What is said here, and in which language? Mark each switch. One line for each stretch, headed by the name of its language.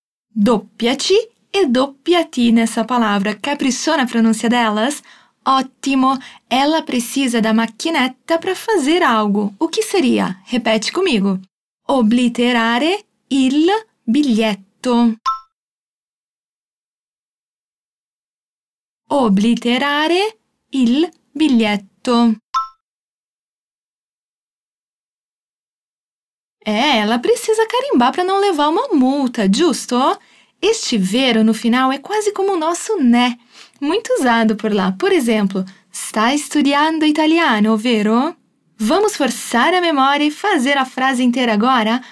Italian: Doppia C e doppia T
Portuguese: nessa palavra. Caprichou na pronúncia delas? Ótimo! Ela precisa da macchinetta para fazer algo. O que seria? Repete comigo.
Italian: Obliterare il biglietto. Obliterare il biglietto.
Portuguese: Ela precisa carimbar para não levar uma multa, giusto? Este vero no final é quase como o nosso né, muito usado por lá. Por exemplo, está estudando italiano, vero? Vamos forçar a memória e fazer a frase inteira agora?